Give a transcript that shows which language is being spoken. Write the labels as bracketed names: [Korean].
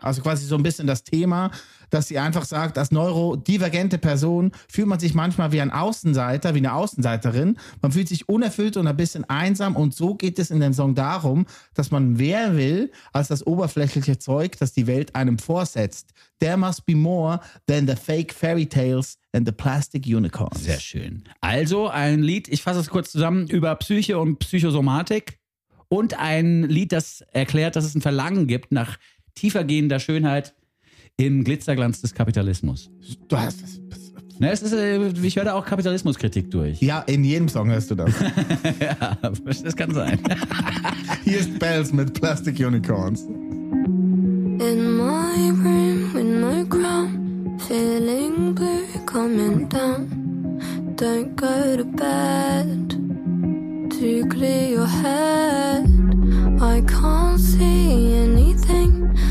[German] Also quasi so ein bisschen das Thema, dass sie einfach sagt, als neurodivergente Person fühlt man sich manchmal wie ein Außenseiter, wie eine Außenseiterin. Man fühlt sich unerfüllt und ein bisschen einsam. Und so geht es in dem Song darum, dass man mehr will als das oberflächliche Zeug, das die Welt einem vorsetzt. [English] There must be more than the fake fairy tales and the plastic unicorns. [German] Sehr schön. Also ein Lied, ich fasse es kurz zusammen, über Psyche und Psychosomatik. Und ein Lied, das erklärt, dass es ein Verlangen gibt nach tiefergehender Schönheit im Glitzerglanz des Kapitalismus. Du hast es. Na, es ist, ich höre da auch Kapitalismuskritik durch. Ja, in jedem Song hörst du das. Ja, das kann sein. Hier ist Bells mit Plastic Unicorns. [English] In my room, in my crown, feeling blue, coming down. Don't go to bed. To clear your head, I can't see anything.